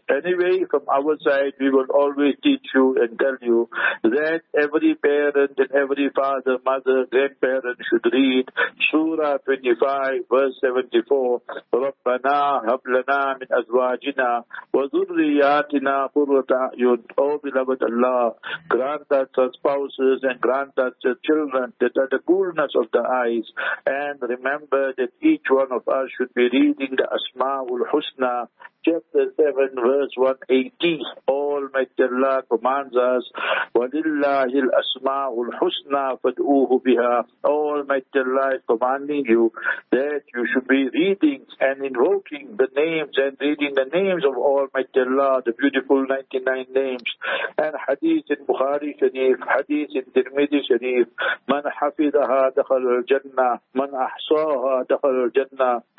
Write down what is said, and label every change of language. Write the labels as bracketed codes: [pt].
[en] Anyway, from our side, we will always teach you and tell you that every parent and every father, mother, grandparent should read Surah 25, verse 74, [ar] رَبَّنَا هَبْ لَنَا مِنْ أَزْوَاجِنَا وَذُرِّيَاتِنَا قُرَّةَ أَعْيُنٍ. [en] O beloved Allah, grant us our spouses and grant us the children that are the coolness of the eyes, and remember that each one of us should be reading the Asma'ul Husna, chapter 7, verse 180. Almighty Allah commands us, [ar] وَلِلَّهِ الْأَسْمَاءُ الْحُسْنَى فَدْعُوهُ بِهَا. [en] Almighty Allah is commanding you that you should be reading and invoking the names and reading the names of Almighty Allah, the beautiful 99 names. And hadith in Bukhari Sharif, hadith in Tirmidhi Sharif, [ar] مَنْ حَفِظَهَا دَخَلُ الْجَنَّةِ [en] مَنْ أَحْصَاهَا دَخَلُ الْجَنَّةِ.